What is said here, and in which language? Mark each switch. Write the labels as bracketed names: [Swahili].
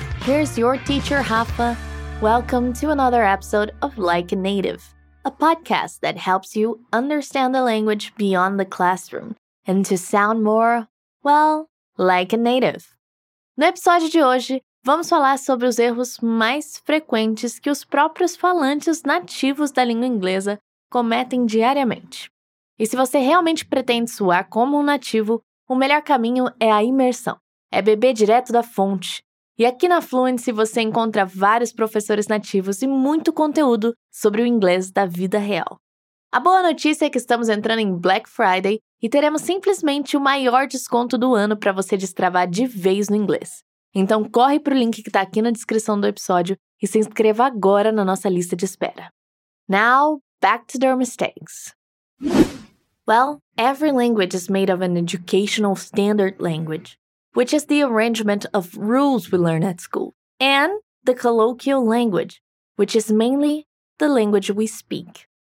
[English] Here's your teacher, Hafa. Welcome to another episode of Like a Native, a podcast that helps you understand the language beyond the classroom and to sound more, well, like a native. [Portuguese] No episódio de hoje, vamos falar sobre os erros mais frequentes que os próprios falantes nativos da língua inglesa cometem diariamente. E se você realmente pretende soar como um nativo, o melhor caminho é a imersão, é beber direto da fonte. E aqui na Fluency você encontra vários professores nativos e muito conteúdo sobre o inglês da vida real. A boa notícia é que estamos entrando em Black Friday e teremos simplesmente o maior desconto do ano para você destravar de vez no inglês. Então corre para o link que está aqui na descrição do episódio e se inscreva agora na nossa lista de espera. [English] Now, back to their mistakes. Well, every language is made of an educational standard language, which is the arrangement of rules we learn at school, and the colloquial language, which is mainly the language we speak.